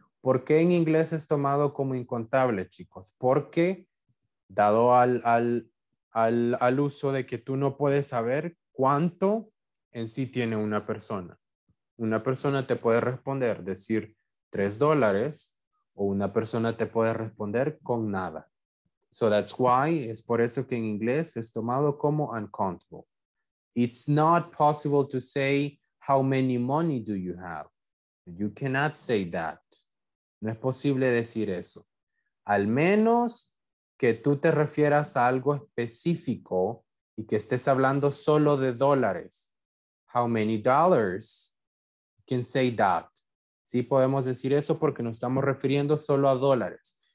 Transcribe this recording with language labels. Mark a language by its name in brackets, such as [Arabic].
[Spanish] ¿Por qué en inglés es tomado como incontable, chicos? Porque dado al uso de que tú no puedes saber cuánto en sí tiene una persona. Una persona te puede responder, decir $3, o una persona te puede responder con nada. [English] So that's why, [Spanish] es por eso que en inglés es tomado como uncountable. [English] It's not possible to say, how many money do you have? You cannot say that. [Spanish] No es posible decir eso. Al menos que tú te refieras a algo específico y que estés hablando solo de dólares. [English] How many dollars? You can say that. [Spanish] Sí podemos decir eso porque nos estamos refiriendo solo a dólares.